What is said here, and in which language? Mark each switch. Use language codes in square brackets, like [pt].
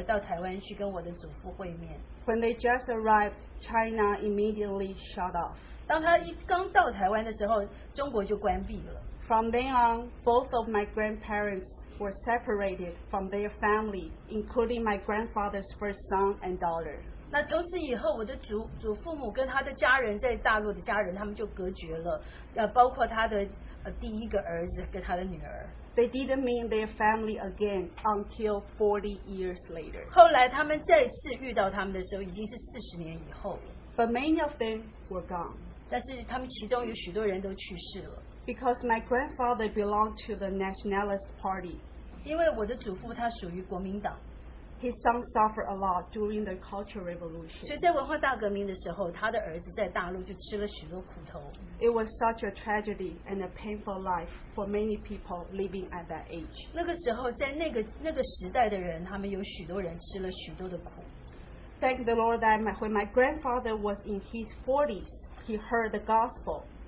[zh] 她就试着用许多的方法带着她唯一的女儿到台湾去跟我的祖父会面。 [en] When they just arrived, China immediately shut off. [zh] 当她刚到台湾的时候, 中国就关闭了。 [en] From then on, both of my grandparents were separated from their family, including my grandfather's first son and daughter. [zh] 那从此以后, 我的祖父母跟他的家人在大陆的家人他们就隔绝了, 包括他的, 第一个儿子跟他的女儿。 [en] They didn't meet their family again until 40 years later. [zh] 后来他们再次遇到他们的时候已经是40年以后。 [en] But many of them were gone. [zh] 但是他们其中有许多人都去世了。 [en] Because my grandfather belonged to the Nationalist Party. [zh] 因为我的祖父他属于国民党。 [en] His son suffered a lot during the Cultural Revolution. [zh] 所以在文化大革命的时候, 他的儿子在大陆就吃了许多苦头。 [en] It was such a tragedy and a painful life for many people living at that age. [zh] 那个时候在那个时代的人, 他们有许多人吃了许多的苦。 [en] Thank the Lord that when my grandfather was in his 40s, he heard the gospel.